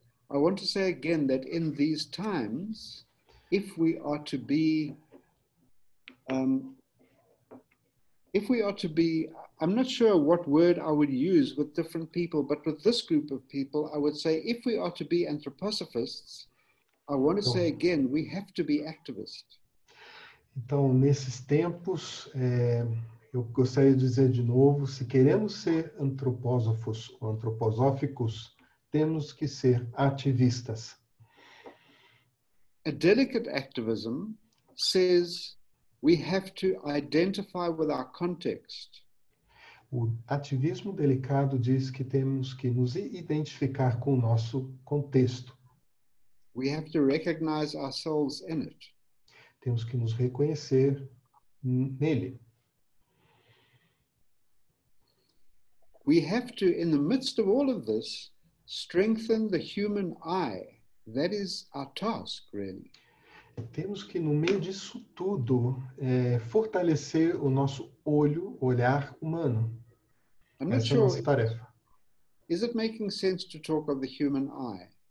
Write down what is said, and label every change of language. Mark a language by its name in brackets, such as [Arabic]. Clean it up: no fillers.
[English] I want to say again that in these times, if we are to be, I'm not sure what word I would use with different people, but with this group of people, I would say if we are to be anthroposophists, I want to say again, we have to be activists. [Portuguese] Então, nesses tempos, eu gostaria de dizer de novo, se queremos ser antropósofos ou antroposóficos, temos que ser ativistas. [English] A delicate activism says we have to identify with our context. [Portuguese] O ativismo delicado diz que temos que nos identificar com o nosso contexto. [English] We have to recognize ourselves in it. [Portuguese] Temos que nos reconhecer nele. [English] We have to, in the midst of all of this, strengthen the human eye. That is our task, really. [Portuguese] Temos que, no meio disso tudo, fortalecer o nosso olho, olhar humano. [English] I'm not sure. [Portuguese] Essa é a tarefa. [English] Is it making sense to talk of the human eye?